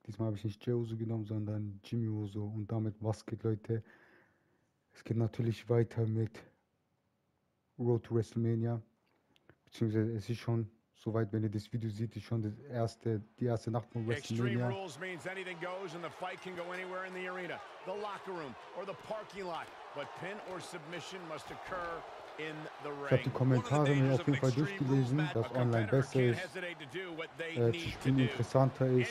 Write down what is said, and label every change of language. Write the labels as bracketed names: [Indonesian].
[German] Diesmal habe ich nicht Jose genommen, sondern Jimmy Uso. Und damit, was geht, Leute? Es geht natürlich weiter mit Road to WrestleMania. Beziehungsweise es ist schon soweit, wenn ihr das Video seht, ist schon die erste Nacht von WrestleMania. [English] rules means anything goes and the fight can go anywhere in the arena, the locker room or the parking lot, but pin or submission must occur in the [German] Ich habe die Kommentare mir auf jeden Fall durchgelesen, dass online besser ist, zu spielen interessanter ist.